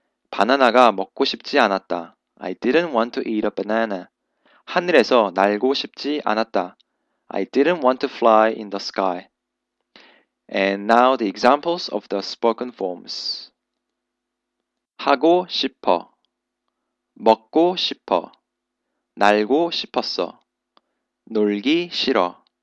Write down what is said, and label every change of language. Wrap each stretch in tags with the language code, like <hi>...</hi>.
<ko>바나나가 먹고 싶지 않았다.</ko> <en>I didn't want to eat a banana.</en> <ko>하늘에서 날고 싶지 않았다.</ko> <en>I didn't want to fly in the sky. And now the examples of the spoken forms.</en> <ko>하고 싶어. 먹고 싶어. 날고 싶었어. 놀기 싫어.</ko>